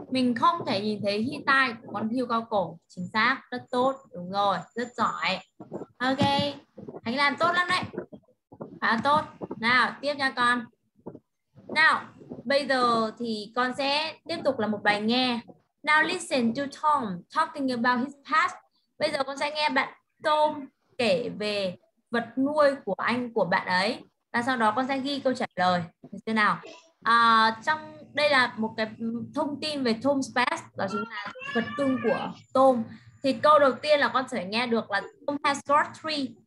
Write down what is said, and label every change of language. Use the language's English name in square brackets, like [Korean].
[Vietnamese] Mình không thể nhìn thấy hi tai của con hươu cao cổ. Chính xác, rất tốt. Đúng rồi, rất giỏi. Ok, anh làm tốt lắm đấy. Khá tốt. Nào, tiếp nha con. Nào, bây giờ thì con sẽ tiếp tục là một bài nghe. [English] Now listen to Tom talking about his pet. [Vietnamese] Bây giờ con sẽ nghe bạn Tom kể về vật nuôi của anh, của bạn ấy. Và sau đó con sẽ ghi câu trả lời thế nào. À, trong đây là một cái thông tin về Tom's pet, đó chính là vật cưng của Tom. Thì câu đầu tiên là con sẽ nghe được là [English] Tom has got three.